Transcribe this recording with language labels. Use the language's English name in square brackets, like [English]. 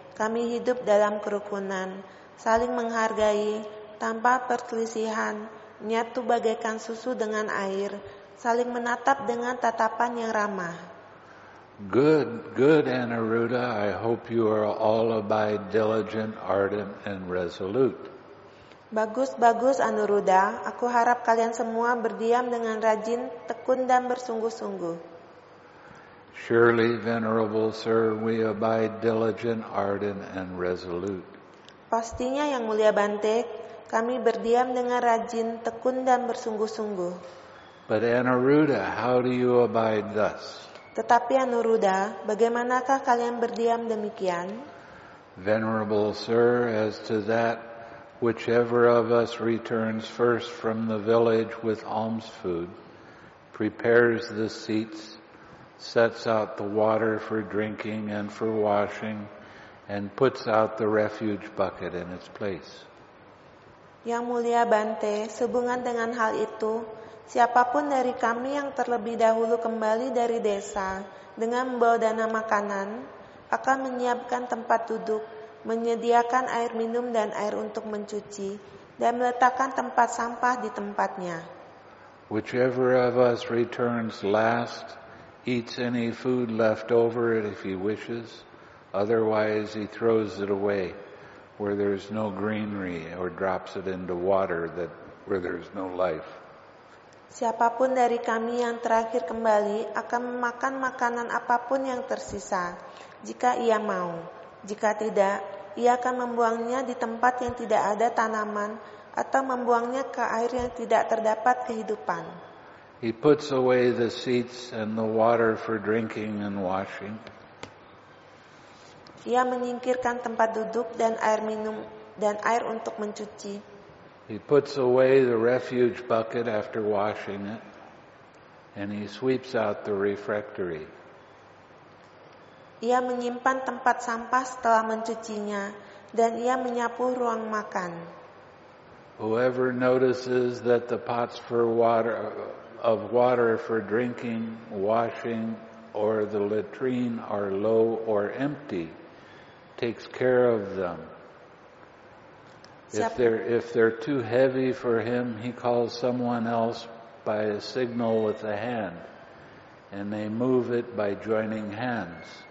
[Indonesian] Kami hidup dalam kerukunan, saling menghargai, tanpa perselisihan, menyatu bagaikan susu dengan air, saling menatap dengan tatapan yang ramah." [English] Good, good, Anuruddha. I hope you are all abide diligent, ardent, and resolute. [Indonesian] Bagus, bagus, Anuruddha. Aku harap kalian semua berdiam dengan rajin, tekun, dan bersungguh-sungguh. [English] Surely, venerable sir, we abide diligent, ardent, and resolute. [Indonesian] Pastinya, Yang Mulia Bante, kami berdiam dengan rajin, tekun, dan bersungguh-sungguh. [English] But Anuruddha, how do you abide thus? [Indonesian] Tetapi Anuruddha, bagaimanakah kalian berdiam demikian? [English] Venerable sir, as to that, whichever of us returns first from the village with alms food, prepares the seats, sets out the water for drinking and for washing, and puts out the refuge bucket in its place. [Indonesian] Yang Mulia Bante, sehubungan dengan hal itu, siapapun dari kami yang terlebih dahulu kembali dari desa dengan membawa dana makanan, akan menyiapkan tempat duduk, menyediakan air minum dan air untuk mencuci, dan meletakkan tempat sampah di tempatnya. [English] Whichever of us returns last, eats any food left over if he wishes, otherwise he throws it away where there is no greenery or drops it into water that where there is no life. [Indonesian] Siapapun dari kami yang terakhir kembali akan memakan makanan apapun yang tersisa jika ia mau, jika tidak ia akan membuangnya di tempat yang tidak ada tanaman atau membuangnya ke air yang tidak terdapat kehidupan. [English] He puts away the seats and the water for drinking and washing. [Indonesian] Ia menyingkirkan tempat duduk dan air minum dan air untuk mencuci. [English] He puts away the refuge bucket after washing it, and he sweeps out the refectory. [Indonesian] Ia menyimpan tempat sampah setelah mencucinya, dan ia menyapu ruang makan. [English] Whoever notices that the pots for water of water for drinking, washing, or the latrine are low or empty, takes care of them. If they're too heavy for him, he calls someone else by a signal with a hand, and they move it by joining hands.